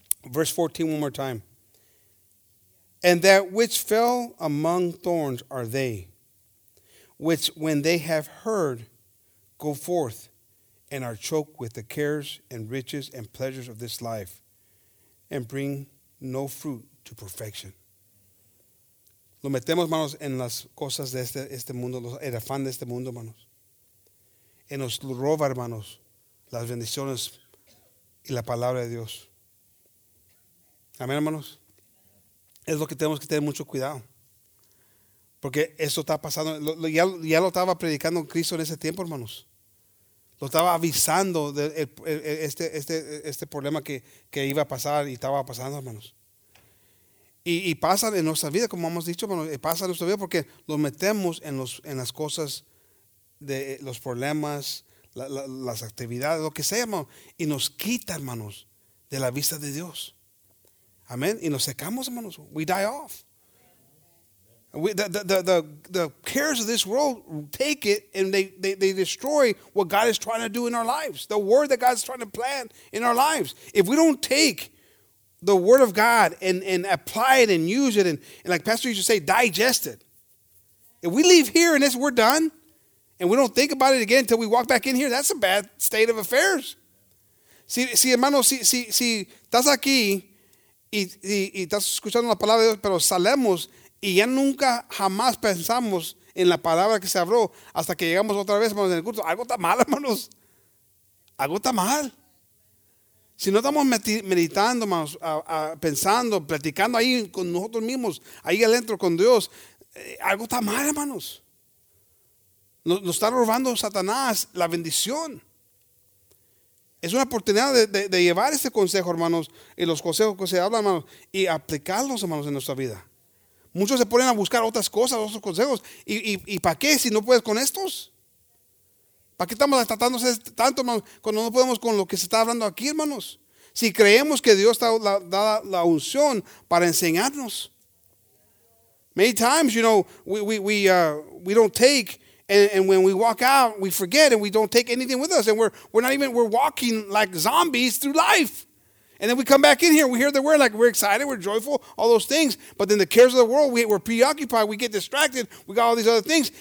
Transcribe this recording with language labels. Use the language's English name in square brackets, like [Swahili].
[English] Verse 14, one more time. And that which fell among thorns are they, which when they have heard, go forth and are choked with the cares and riches and pleasures of this life, and bring no fruit to perfection. [Spanish] Lo metemos, hermanos, en las cosas de este mundo, el afán de este mundo, hermanos. Y nos roba, hermanos, las bendiciones y la palabra de Dios. Amén, hermanos. Es lo que tenemos que tener mucho cuidado. Porque eso está pasando. Ya lo estaba predicando Cristo en ese tiempo, hermanos. Lo estaba avisando de este problema que iba a pasar y estaba pasando, hermanos. Y pasa en nuestra vida, como hemos dicho, hermanos. Pasa en nuestra vida porque lo metemos en las cosas de los problemas, las actividades, lo que sea, hermanos. Y nos quita, hermanos, de la vista de Dios. Amen. Y nos secamos, hermanos. [English] We die off. The cares of this world take it and they destroy what God is trying to do in our lives. The word that God is trying to plant in our lives. If we don't take the word of God and apply it and use it and like Pastor used to say, digest it. If we leave here and this we're done and we don't think about it again until we walk back in here, that's a bad state of affairs. [Spanish] Si hermano, si estás aquí y estás escuchando la palabra de Dios, pero salemos y ya nunca jamás pensamos en la palabra que se habló hasta que llegamos otra vez, hermanos, en el culto. Algo está mal, hermanos. Algo está mal. Si no estamos meditando, hermanos, pensando, platicando ahí con nosotros mismos, ahí adentro con Dios, algo está mal, hermanos. Nos está robando Satanás la bendición. Es una oportunidad de llevar este consejo, hermanos, y los consejos que se hablan, hermanos, y aplicarlos, hermanos, en nuestra vida. Muchos se ponen a buscar otras cosas, otros consejos. ¿Y para qué si no puedes con estos? ¿Para qué estamos tratando tanto, hermanos, cuando no podemos con lo que se está hablando aquí, hermanos? Si creemos que Dios está dada la unción para enseñarnos. [English] Many times, you know, we don't take. And when we walk out, we forget and we don't take anything with us. And we're walking like zombies through life. And then we come back in here, we hear the word, like we're excited, we're joyful, all those things. But then the cares of the world, we're preoccupied, we get distracted, we got all these other things.